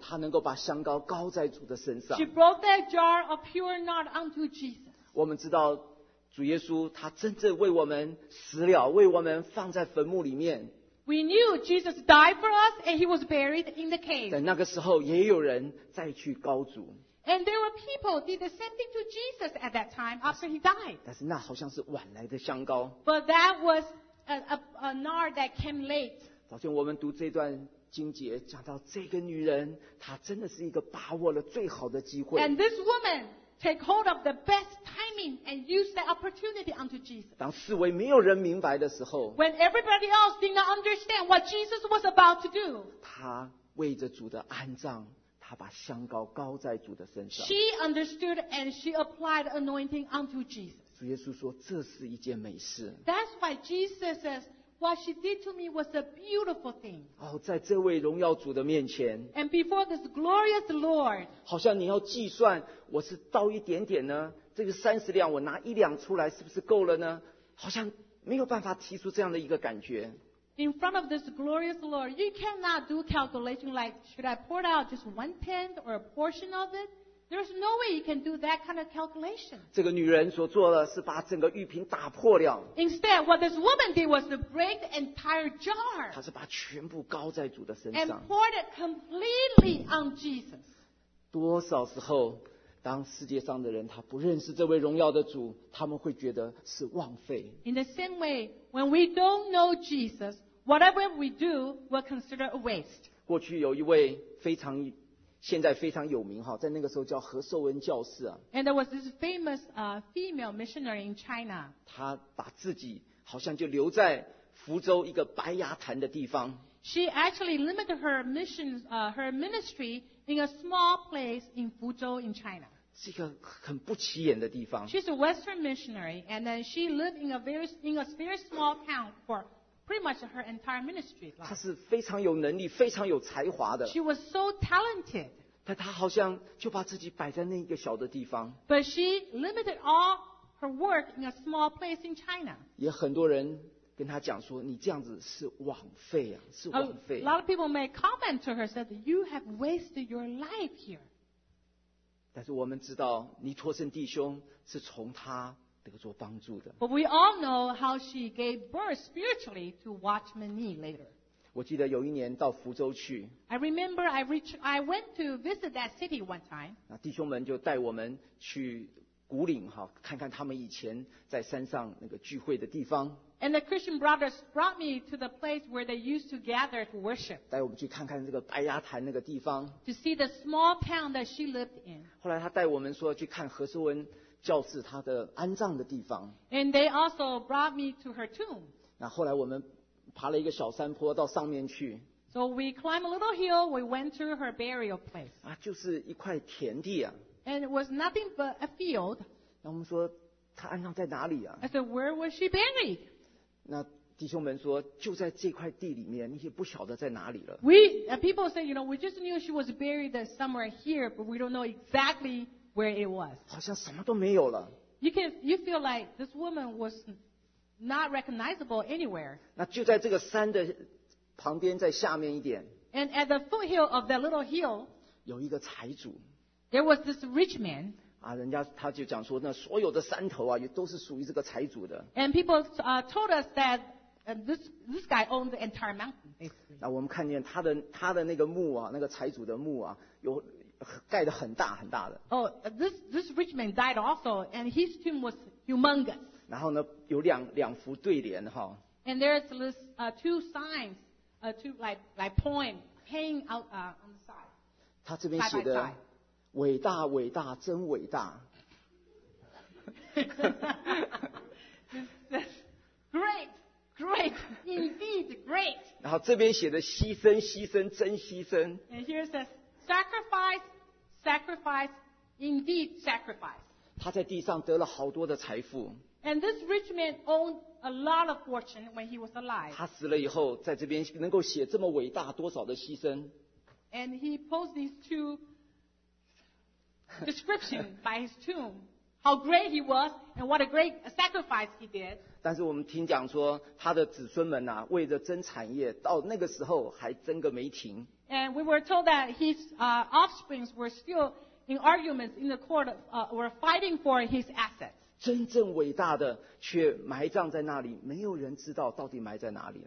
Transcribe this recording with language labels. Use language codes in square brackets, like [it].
[zh] 她能够把香膏膏在主的身上。 [en] She brought that jar of pure nard unto Jesus. [zh] 我们知道主耶稣他真正为我们死了，为我们放在坟墓里面。 [en] We knew Jesus died for us and he was buried in the cave. [zh] 在那个时候也有人再去膏主。 [en] And there were people did the same thing to Jesus at that time after he died. [zh] 但是那好像是晚来的香膏。 [en] But that was a nard that came late. [zh] 早前我们读这段经节，讲到这个女人，她真的是一个把握了最好的机会。 [en] And this woman take hold of the best timing and use the opportunity unto Jesus. [zh] 当四围没有人明白的时候 [en] ，When everybody else did not understand what Jesus was about to do, [zh] 她为着主的安葬。他把香膏膏在主的身上。 [en] She understood and she applied anointing unto Jesus. [zh] 主耶稣说这是一件美事。 [en] That's why Jesus says what she did to me was a beautiful thing. [zh] 哦，在这位荣耀主的面前。 [en] And before this glorious Lord. [zh] 好像你要计算，我是倒一点点呢？这个三十两，我拿一两出来，是不是够了呢？好像没有办法提出这样的一个感觉。 [en] In front of this glorious Lord, you cannot do calculation like, should I pour out just one tenth or a portion of it? There's no way you can do that kind of calculation. [zh] 这个女人所做的是把整个玉瓶打破了。 [en] Instead, what this woman did was to break the entire jar. [zh] 她是把全部膏在主的身上。 [en] And poured it completely on Jesus. [zh] 多少时候，当世界上的人他不认识这位荣耀的主，他们会觉得是浪费。 [en] In the same way, when we don't know Jesus, whatever we do, we'll consider a waste. [zh] 过去有一位非常，现在非常有名哈，在那个时候叫何寿恩教士啊。 [en] And there was this famous female missionary in China. [zh] 她把自己好像就留在福州一个白崖潭的地方。 [en] She actually limited her mission, her ministry in a small place in Fuzhou in China. [zh] 是一个很不起眼的地方。 [en] She's a Western missionary, and then she lived in a very small town for pretty much her entire ministry life. [zh] 她是非常有能力，非常有才华的。 [en] She was so talented. [zh] 但她好像就把自己摆在那一个小的地方。 [en] But she limited all her work in a small place in China. [zh] 也很多人跟他讲说，你这样子是枉费啊，是枉费。 [en] A lot of people may comment to her, said you have wasted your life here. [zh] 但是我们知道，尼托森弟兄是从他得着帮助的。 [en] But we all know how she gave birth spiritually to Watchman Nee later. [zh] 我记得有一年到福州去。 [en] I remember I went to visit that city one time. [zh] 那弟兄们就带我们去古岭哈，看看他们以前在山上那个聚会的地方。 [en] And the Christian brothers brought me to the place where they used to gather to worship. [zh] 带我们去看看这个白崖潭那个地方。 [en] To see the small town that she lived in. [zh] 后来他带我们说去看何寿恩教士他的安葬的地方。 [en] And they also brought me to her tomb. [zh] 那后来我们爬了一个小山坡到上面去。 [en] So we climbed a little hill, we went to her burial place. [zh] 啊，就是一块田地啊。 [en] And it was nothing but a field. [zh] 那我们说他安葬在哪里啊？ [en] I said, where was she buried? [zh] 那弟兄们说，就在这块地里面，你也不晓得在哪里了。 [en] People say, you know, we just knew she was buried somewhere here, but we don't know exactly where it was. [zh] 好像什么都没有了。 [en] You feel like this woman was not recognizable anywhere. [zh] 那就在这个山的旁边，在下面一点。 [en] And at the foothill of that little hill, [zh] 有一个财主。 [en] There was this rich man. [zh] 啊，人家他就讲说，那所有的山头啊，也都是属于这个财主的。 [en] And people told us that this guy owned the entire mountain. [zh] 那我们看见他的那个墓啊，那个财主的墓啊，有盖得很大很大的。 [en] Oh, this rich man died also, and his tomb was humongous. [zh] 然后呢，有两幅对联哈。 [en] And there's this two signs, two like poem hanging out on the side. [zh] 他这边写的。伟大，伟大，真伟大。 [en] Great, great, indeed great. [zh] 然后这边写的牺牲，牺牲，真牺牲。 [en] And here it says sacrifice, sacrifice, indeed sacrifice. [zh] 他在地上得了好多的财富。 [en] And this rich man owned a lot of fortune when he was alive. [zh] 他死了以后，在这边能够写这么伟大多少的牺牲。 [en] And he posed these two. Description by his tomb, how great he was, and what a great sacrifice he did. [zh] 但是我们听讲说，他的子孙们呐、啊，为了争产业，到那个时候还争个没停。 [en] And we were told that his offsprings were still in arguments in the court, were fighting for his assets. [zh] 真正伟大的却埋葬在那里，没有人知道到底埋在哪里。